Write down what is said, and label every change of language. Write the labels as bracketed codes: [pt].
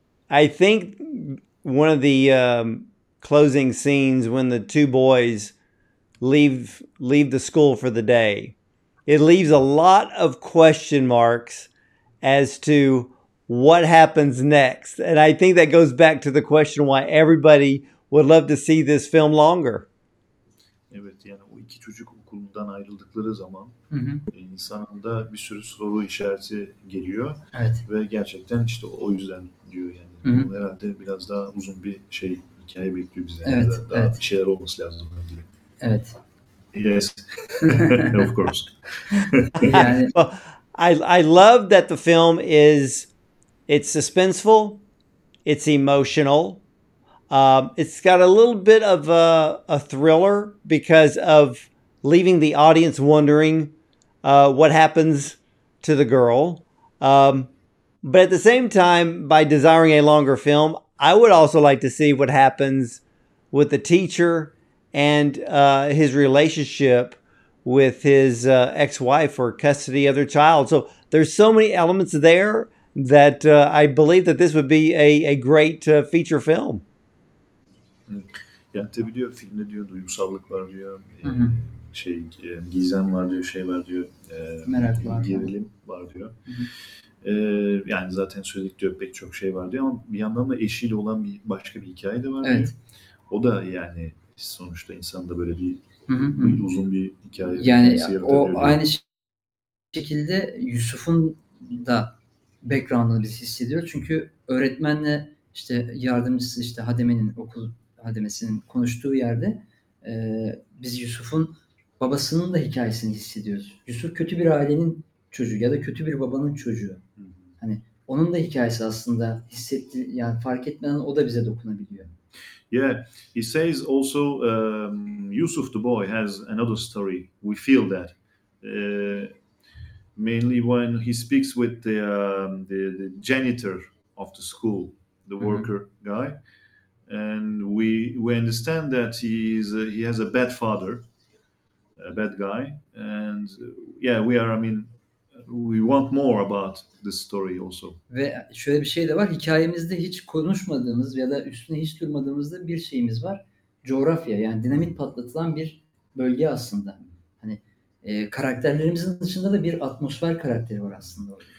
[en] I think one of the closing scenes when the two boys leave the school for the day, it leaves a lot of question marks as to what happens next. And I think that goes back to the question why everybody would love to see this film longer. [tr] Evet, yani o iki çocuk okulundan ayrıldıkları zaman insanın da bir sürü soru işareti geliyor. Evet. Ve gerçekten işte o yüzden diyor yani. Herhalde biraz daha uzun bir şey, hikaye bekliyor bize. Evet, daha evet. Bir şeyler olması lazım. Evet. [en] Yes. Of course. I love that the film it's suspenseful, it's emotional. It's got a little bit of a thriller because of leaving the audience wondering what happens to the girl. But at the same time, by desiring a longer film, I would also like to see what happens with the teacher and his relationship with his ex-wife or custody of their child. So there's so many elements there that I believe that this would be a great feature film. [tr] Yani tabii diyor filmde diyor duygusallık var diyor şey gizem var diyor şey var diyor merak var gerilim var diyor yani zaten söyledik diyor pek çok şey var diyor ama bir yandan da eşiyle olan bir başka bir hikaye de var evet. O da yani sonuçta insanda böyle bir uzun bir hikaye yani o aynı şekilde Yusuf'un da background'ını biz hissediyoruz çünkü öğretmenle işte yardımcısı işte Hademe'nin okul Hademesi'nin konuştuğu yerde biz Yusuf'un babasının da hikayesini hissediyoruz. Yusuf kötü bir ailenin çocuğu ya da kötü bir babanın çocuğu. Hani onun da hikayesi aslında hissetti yani fark etmeden o da bize dokunabiliyor. [en] Yeah, he says also Yusuf the boy has another story. We feel that mainly when he speaks with the janitor of the school, the worker guy. And we understand that he has a bad father, a bad guy, and we want more about the story also. [tr] Ve şöyle bir şey de var, hikayemizde hiç konuşmadığımız ya da üstüne hiç durmadığımızda bir şeyimiz var, coğrafya yani dinamit patlatılan bir bölge aslında. Hani karakterlerimizin dışında da bir atmosfer karakteri var aslında.